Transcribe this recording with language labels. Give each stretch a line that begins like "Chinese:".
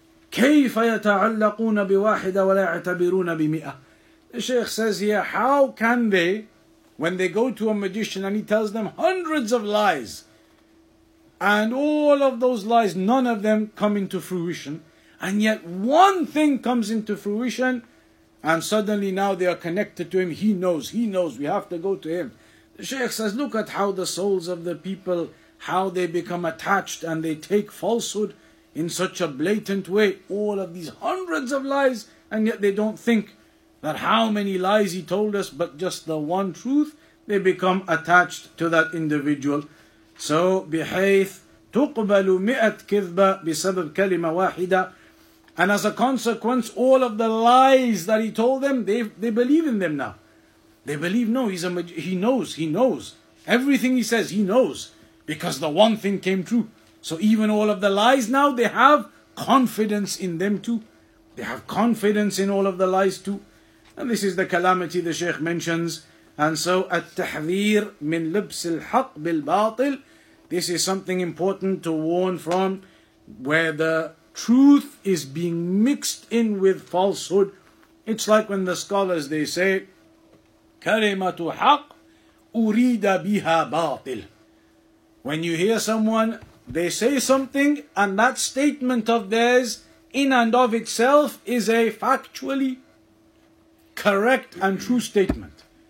Arabic: كيف يتعلقون بواحدة ولا يعتبرون بمئة.
English: The Shaykh says here, how can they, when they go to a magician and he tells them hundreds of lies, and all of those lies, none of them come into fruition, and yet one thing comes into fruition, and suddenly now they are connected to him, he knows, we have to go to him. The Shaykh says, look at how the souls of the people, how they become attached, and they take falsehood in such a blatant way, all of these hundreds of lies, and yet they don't think that how many lies he told us, but just the one truth, they become attached to that individual. So,
Arabic: بحيث تقبل مئة كذبة بسبب كلمة واحدة.
English: And as a consequence, all of the lies that he told them, they believe in them now. They believe, no, he knows. Everything he says, he knows. Because the one thing came true. So even all of the lies now, they have confidence in them too. They have confidence in all of the lies too. And this is the calamity the Shaykh mentions. And so,
Arabic: التحذير من لبس الحق بالباطل.
English: This is something important to warn from, where the truth is being mixed in with falsehood. It's like when the scholars, they say,
Arabic: كلمة حق أريد بها باطل.
English: When you hear someone, they say something, and that statement of theirs, in and of itself, is a factually correct and true statement.